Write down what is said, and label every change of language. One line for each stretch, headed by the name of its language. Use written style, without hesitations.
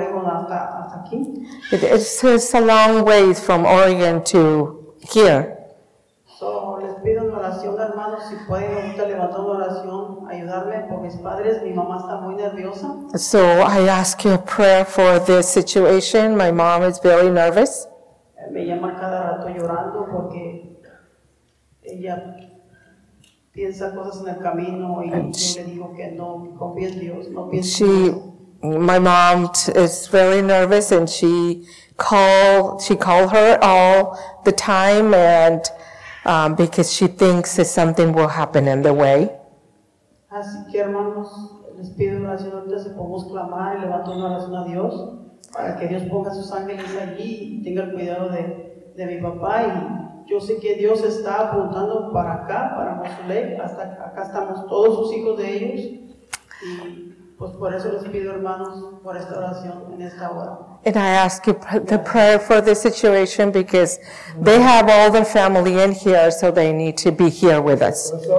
English: 5 or 6 hours
Spanish: de camino de Oregon hasta aquí.
English: It's a long way from Oregon to here.
Spanish: So, les pido una oración, hermanos, si pueden ahorita levantar una oración, ayudarme por mis padres. Mi mamá está muy nerviosa.
English: So, I ask you a prayer for this situation. My mom is very nervous.
Spanish: Me llama cada rato llorando porque ella piensa cosas en el camino y yo le digo que no confío en Dios, no pienso.
English: My mom is very nervous and she call her all the time and because she thinks that something will happen in the way.
Spanish: Así que hermanos, les pido oración ahorita, si podemos clamar y levantar una oración a Dios para que Dios ponga sus ángeles allí y tenga el cuidado de mi papá. Y yo sé que Dios está apuntando para acá, para Mosulé, hasta acá estamos todos sus hijos de ellos. Pues por eso les pido, hermanos, por esta oración en esta hora.
English: And I ask you the prayer for this situation because they have all their family in here, so they need to be here with us.